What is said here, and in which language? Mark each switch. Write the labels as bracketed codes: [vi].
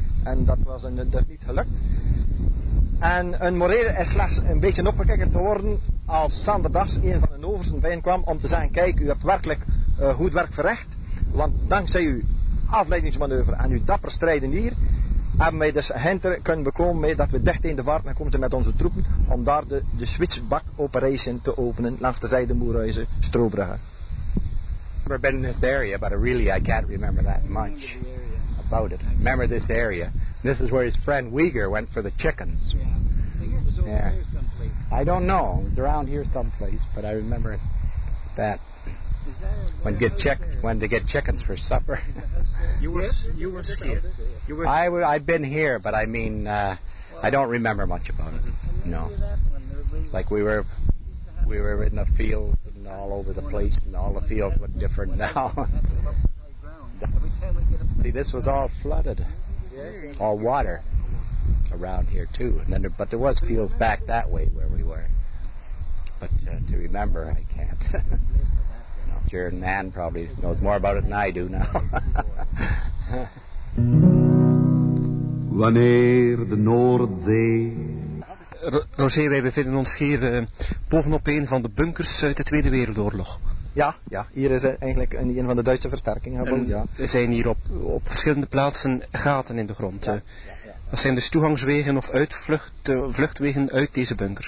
[nl] En dat was dus niet gelukt. En hun moreel is slechts een beetje opgekikkerd geworden als Sander Das, een van hun oversten, bijeenkwam om te zeggen, kijk, u hebt werkelijk goed werk verricht, want dankzij u afleidingsmanoeuvre en uw dapper strijden hier hebben wij dus hinter kunnen bekomen mee dat we dicht in de vaart komen met onze troepen om daar de switchback operation te openen langs de zijde Moerhuizen Stroobrugge. [en] I've never been in this area, but really I can't remember that much about it. Remember this area. This is where his friend Uyghur went for the chickens. Yeah. I don't know. It was around here someplace, but I remember that. When to get chickens for supper. you were scared. I've been here, but I mean, I don't remember much about it. No. Like we were in the fields and all over the place, and all the fields look different now. See, this was all flooded, all water around here too. And then, but there was fields back that way where we were. But to remember, I can't. Your man probably knows more about it than I do now. [nl] wanneer de Noordzee... Roger, wij bevinden ons hier bovenop een van de bunkers uit de Tweede Wereldoorlog. Ja, ja, hier is eigenlijk een van de Duitse versterkingen gebouwd. Ja. Er zijn hier op verschillende plaatsen gaten in de grond. Ja. Dat zijn dus toegangswegen of vluchtwegen uit deze bunkers.